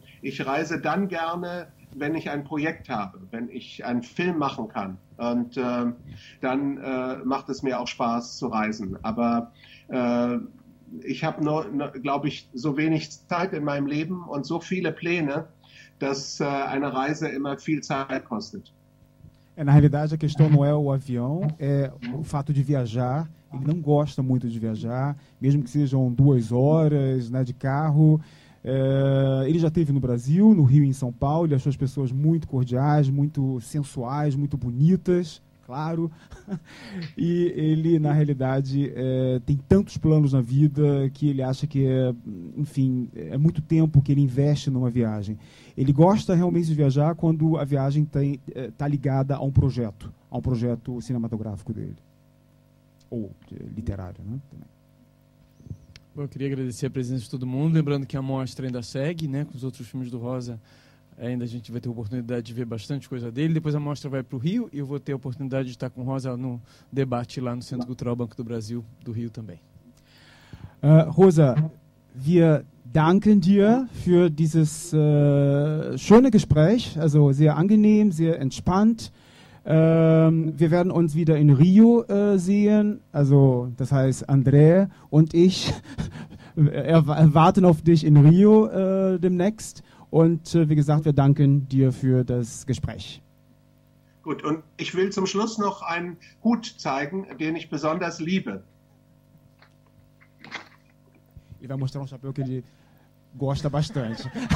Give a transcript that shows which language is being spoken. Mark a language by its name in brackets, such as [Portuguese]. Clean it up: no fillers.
[German] Ich reise dann gerne, wenn ich ein Projekt habe, wenn ich einen Film machen kann. Und dann macht es mir auch Spaß zu reisen. Aber ich habe nur, glaube ich, so wenig Zeit in meinem Leben und so viele Pläne, dass eine Reise immer viel Zeit kostet. [Portuguese] É, na realidade, a questão não é o avião, é o fato de viajar. Ele não gosta muito de viajar, mesmo que sejam 2 horas, né, de carro. É, ele já esteve no Brasil, no Rio e em São Paulo. Ele achou as pessoas muito cordiais, muito sensuais, muito bonitas, claro. E ele, na realidade, tem tantos planos na vida que ele acha que, é muito tempo que ele investe numa viagem. Ele gosta realmente de viajar quando a viagem está ligada a um projeto cinematográfico dele, ou literário, né, também. Bom, eu queria agradecer a presença de todo mundo, lembrando que a mostra ainda segue, né, com os outros filmes do Rosa. Ainda a gente vai ter a oportunidade de ver bastante coisa dele. Depois a mostra vai para o Rio e eu vou ter a oportunidade de estar com o Rosa no debate lá no Centro Cultural Banco do Brasil, do Rio também. [German] Rosa, wir danken dir für dieses schöne Gespräch, also sehr angenehm, sehr entspannt. Wir werden uns wieder in Rio sehen, also das heißt André und ich warten auf dich in Rio demnächst. Und wie gesagt, wir danken dir für das Gespräch. Gut, und ich will zum Schluss noch einen Hut zeigen, den ich besonders liebe. [Portuguese] Ele vai mostrar um chapéu que ele gosta bastante.